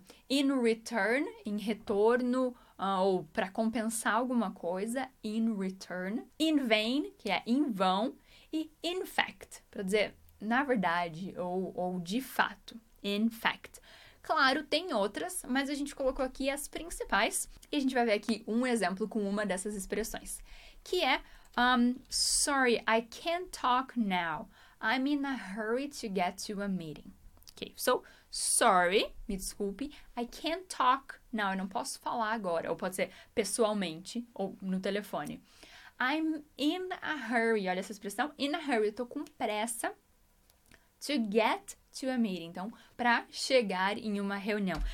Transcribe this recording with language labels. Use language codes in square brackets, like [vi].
[en] in return, [pt] em retorno, ou para compensar alguma coisa, in return, [en] in vain, [pt] que é em vão, e [en] in fact, [pt] para dizer na verdade, ou de fato, in fact. Claro, tem outras, mas a gente colocou aqui as principais e a gente vai ver aqui um exemplo com uma dessas expressões, que é [en] sorry, I can't talk now. I'm in a hurry to get to a meeting. Okay, so, sorry, [pt] me desculpe, [en] I can't talk now. [pt] Eu não posso falar agora, ou pode ser pessoalmente ou no telefone. [en] I'm in a hurry, [pt] olha essa expressão, [en] in a hurry, [pt] eu tô com pressa [en] to get to a meeting, [pt] então, para chegar em uma reunião.